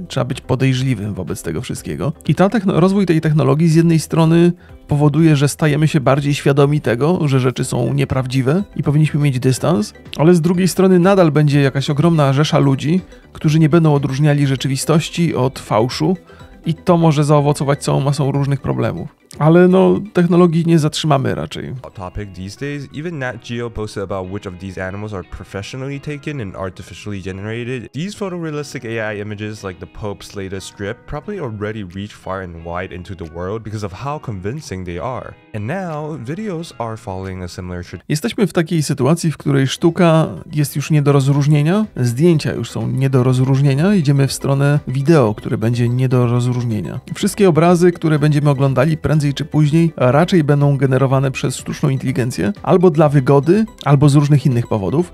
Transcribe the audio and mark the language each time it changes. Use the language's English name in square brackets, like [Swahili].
[Polish] Trzeba być podejrzliwym wobec tego wszystkiego. I rozwój tej technologii z jednej strony powoduje, że stajemy się bardziej świadomi tego, że rzeczy są nieprawdziwe i powinniśmy mieć dystans, ale z drugiej strony nadal będzie jakaś ogromna rzesza ludzi, którzy nie będą odróżniali rzeczywistości od fałszu, i to może zaowocować całą masą różnych problemów. Ale no, technologii nie zatrzymamy raczej. [English] Topic these days, even Nat Geo posted about which of these animals are professionally taken and artificially generated. These photorealistic AI images, like the Pope's latest strip, probably already reach far and wide into the world because of how convincing they are. And now, videos are following a similar trend. [Polish] Jesteśmy w takiej sytuacji, w której sztuka jest już nie do rozróżnienia, zdjęcia już są nie do rozróżnienia, idziemy w stronę wideo, które będzie nie do rozróżnienia. Wszystkie obrazy, które będziemy oglądali, prędzej czy później, raczej będą generowane przez sztuczną inteligencję, albo dla wygody, albo z różnych innych powodów.